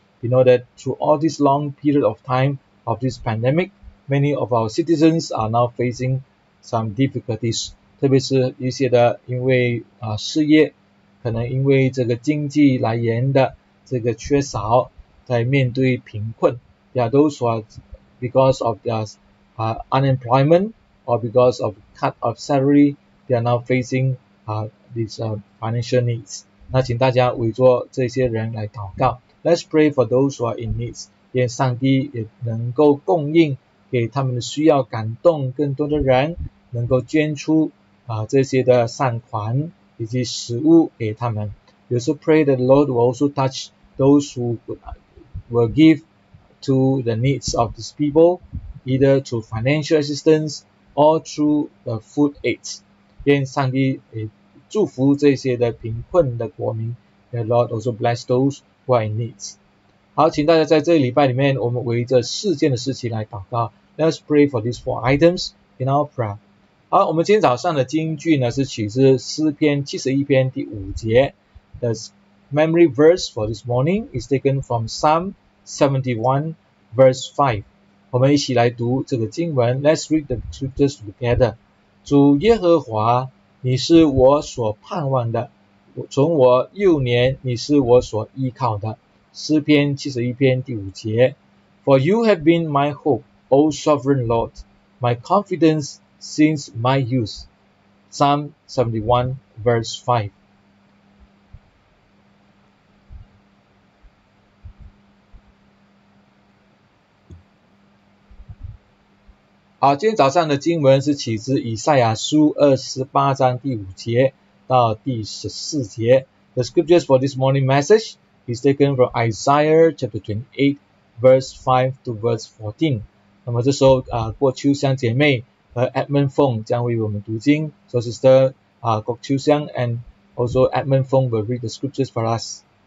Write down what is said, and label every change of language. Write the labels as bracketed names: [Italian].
[English] We know that through all this long period of time of this pandemic, many of our citizens are now facing some difficulties. [Chinese] 特别是一些的因为失业，可能因为这个经济来源的这个缺少，在面对贫困。 [English] There are those who are because of their unemployment or because of cut of salary, they are now facing these financial needs. [Chinese] 那请大家围着这些人来祷告。 [English] Let's pray for those who are in needs. [Chinese] 愿上帝也能够供应给他们的需要，感动更多的人能够捐出这些的善款以及食物给他们。 [English] We also pray that the Lord will also touch those who will give to the needs of these people, either through financial assistance or through the food aid. [Chinese] 愿上帝也祝福这些的贫困的国民。 [English] The Lord also bless those who are in need. [Chinese] 好，请大家在这个礼拜里面，我们围着四件的事情来祷告。 [English] Let's pray for these four items in our prayer. [Chinese] 好，我们今天早上的经句呢，是取自诗篇71篇第五节。 [English] The memory verse for this morning is taken from Psalm 71 verse 5. [Chinese] 我们一起来读这个经文。 [English] Let's read the scriptures together. [Chinese] 主耶和华，你是我所盼望的，从我幼年你是我所依靠的，诗篇71篇第五节 [English] For you have been my hope, O sovereign Lord, my confidence since my youth. Psalm 71 verse 5. [Chinese] 好，今天早上的经文是起自以赛亚书28章第5节到第14节。 [English] The scriptures for this morning message is taken from Isaiah chapter 28, verse 5 to verse 14. [Chinese] 那么这时候郭秋香姐妹和 Edmund Fong 将为我们读经。 [English] So sister, 郭秋香 and also Edmund Fong will read the scriptures for us.